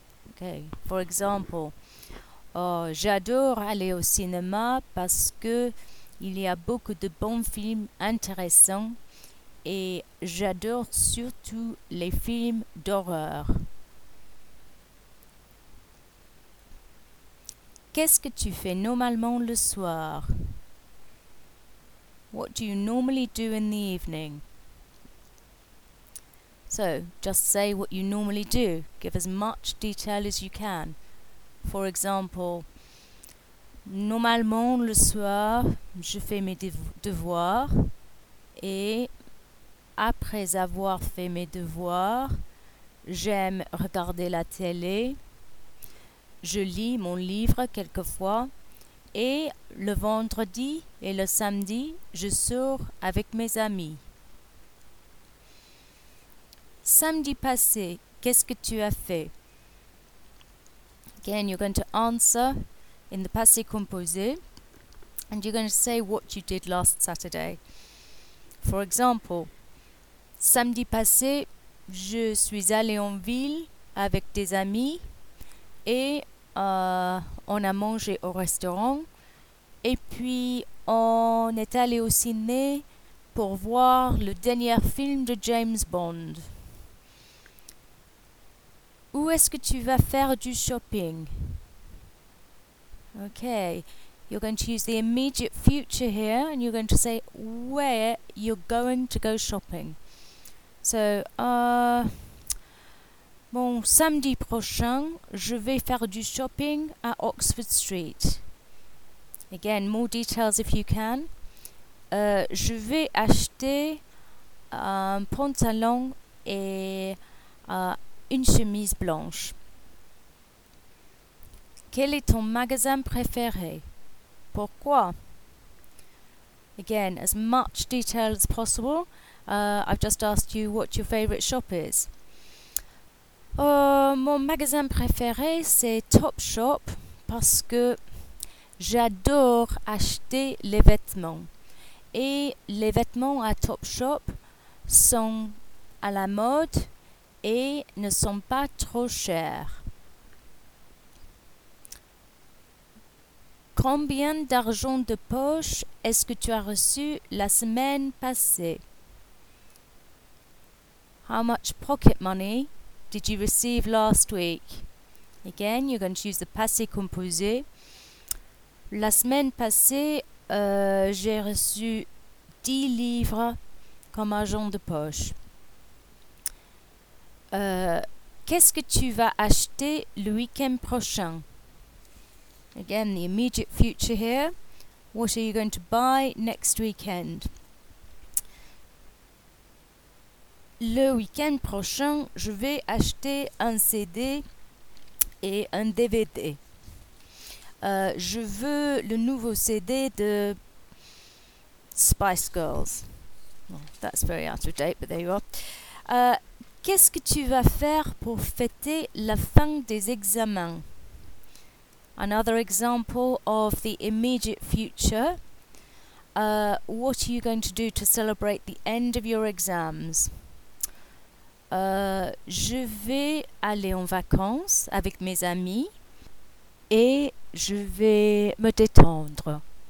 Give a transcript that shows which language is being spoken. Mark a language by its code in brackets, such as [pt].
[en] Okay, for example, [fr] j'adore aller au cinéma parce que il y a beaucoup de bons films intéressants et j'adore surtout les films d'horreur. Qu'est-ce que tu fais normalement le soir? [en] What do you normally do in the evening? So, just say what you normally do. Give as much detail as you can. For example, [fr] normalement, le soir, je fais mes devoirs. Et après avoir fait mes devoirs, j'aime regarder la télé. Je lis mon livre quelquefois. Et le vendredi et le samedi, je sors avec mes amis. Samedi passé, qu'est-ce que tu as fait? [en] Again, you're going to answer in the passé composé and you're going to say what you did last Saturday. For example, [fr] samedi passé, je suis allé en ville avec des amis et on a mangé au restaurant et puis on est allé au ciné pour voir le dernier film de James Bond. Où est-ce que tu vas faire du shopping? [en] Okay, you're going to use the immediate future here and you're going to say where you're going to go shopping. [fr] So, bon, samedi prochain, je vais faire du shopping à Oxford Street. [en] Again, more details if you can. [fr] Je vais acheter un pantalon et une chemise blanche. Quel est ton magasin préféré? Pourquoi? [en] Again, as much detail as possible. I've just asked you what your favorite shop is. [fr] Mon magasin préféré, c'est Topshop parce que j'adore acheter les vêtements. Et les vêtements à Topshop sont à la mode et ne sont pas trop chers. Combien d'argent de poche est-ce que tu as reçu la semaine passée? [en] How much pocket money did you receive last week? Again, you're going to use the passé composé. [fr] La semaine passée, j'ai reçu 10 livres comme argent de poche. Qu'est-ce que tu vas acheter le week-end prochain? [en] Again, the immediate future here. What are you going to buy next weekend? [fr] Le week-end prochain, je vais acheter un CD et un DVD. Je veux le nouveau CD de Spice Girls. [en] Well, that's very out of date, but there you are. [fr] Qu'est-ce que tu vas faire pour fêter la fin des examens? [en] Another example of the immediate future. What are you going to do to celebrate the end of your exams? [fr] Je vais aller en vacances avec mes amis et je vais me détendre.